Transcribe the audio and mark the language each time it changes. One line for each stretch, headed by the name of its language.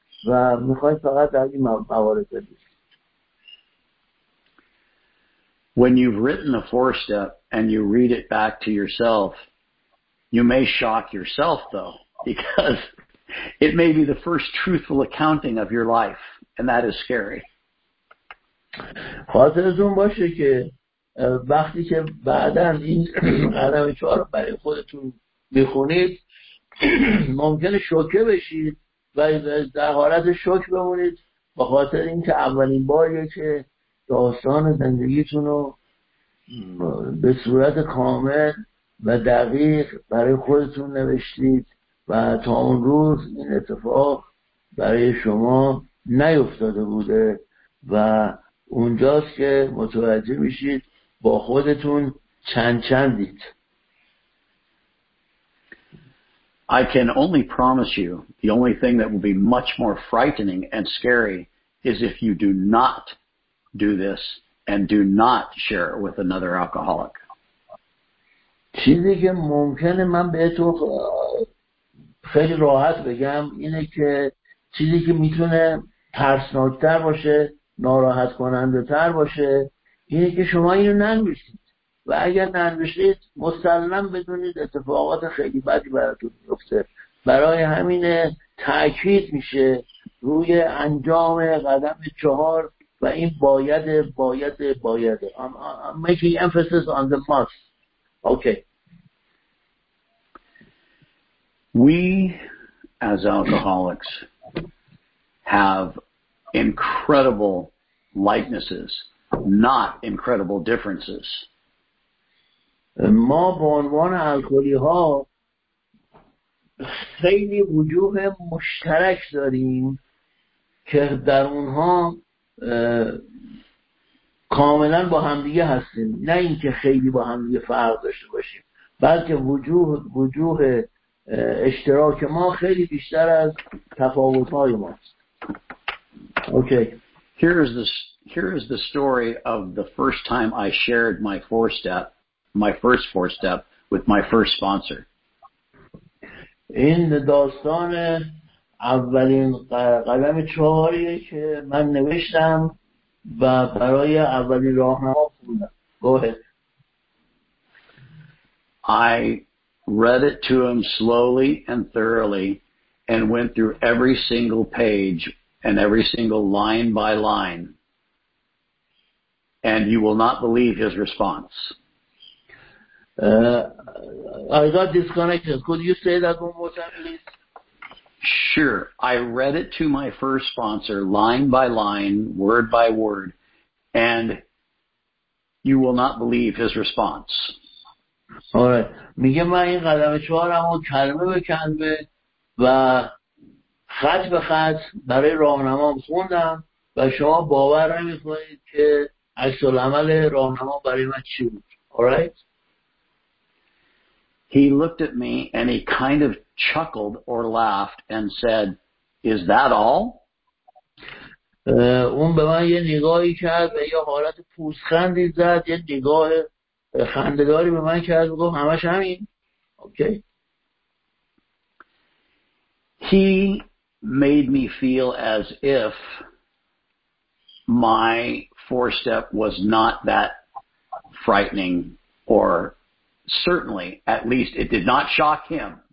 Persian: و میخوای فقط در این موارد بدیش.
English: When you've written a four step and you read it back to yourself, you may shock yourself though, because it may be the first truthful accounting of your life, and that is scary.
Persian: خاطرتون باشه که وقتی که بعداً این قدم چهار رو برای خودتون میخونید ممکنه شوکه بشید و در حالت شوک بمونید با خاطر اینکه اولین باریه که داستان زندگیتون رو به صورت کامل و دقیق برای خودتون نوشتید و تا اون روز این اتفاق برای شما نیفتاده بوده و اونجاست که متوجه میشید با خودتون چند چندید.
English: I can only promise you the only thing that will be much more frightening and scary is if you do not do this and do not share it with another alcoholic.
Persian: چیزی که ممکنه من بهتون خیلی راحت بگم اینه که چیزی که میتونه ترسناکتر باشه، ناراحت کننده تر باشه اینه که شما اینو ننوشید و اگر ننوشید مسلماً بدونید اتفاقات خیلی بدی براتون میفته. برای همین تأکید میشه روی انجام قدم چهار و این باید
English: I'm making emphasis on the must. Okay. We as alcoholics have incredible likenesses, not incredible differences.
Persian: ما به عنوان الکلی ها خیلی وجوه مشترک داریم که در اونها کاملا با همدیگه هستیم، نه اینکه خیلی با همدیگه فرق داشته باشیم، بلکه وجوه اشتراک ما خیلی بیشتر از تفاوت های ماست.
English: Okay. Here is the story of the first time I shared my first four step with my first sponsor.
Persian: این داستان اولین قدم چهاریه که من نوشتم و برای اولین راهنما خوندم.
English: Go ahead. I read it to him slowly and thoroughly and went through every single page and every single line by line, and you will not believe his response. I got disconnected. Could you say that one more time, please? Sure. I read it to my first sponsor line by line, word by word, and you will not believe his response. All right.
Persian: میگه من این قدم چهارم رو کلمه به کلمه و خط به خط برای راهنمام خوندم و شما باور نمی کنید که عکس العمل راهنما برای من چی بود.
English: All right. He looked at me and he kind of chuckled or laughed and said, "Is that all?"
Persian: اون به من یه نگاهی کرد و یه حالت پوزخندی زد، یه نگاه خنده‌داری به من کرد و گفت همش همین.
English: Okay. He made me feel as if my four step was not that frightening, or certainly at least it did not shock him.